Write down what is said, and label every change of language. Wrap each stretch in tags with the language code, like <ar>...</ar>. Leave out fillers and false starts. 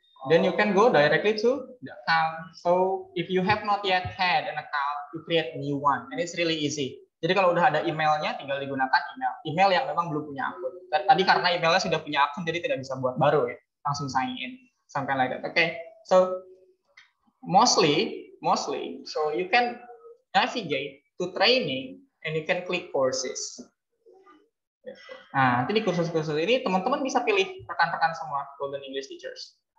<en>Then you can go directly to the account. So if you have not yet had an account, you create a new one. And it's really easy.</en> <id>Jadi kalau udah ada emailnya, tinggal digunakan email. Email yang memang belum punya akun. Tadi karena emailnya sudah punya akun, jadi tidak bisa buat baru ya.</id> <en>Langsung sign in. Something like that. Okay. So mostly, so you can navigate to training and you can click courses.</en> <id>Nah, nanti di kursus-kursus ini, teman-teman bisa pilih rekan-rekan semua Golden English Teachers.</id>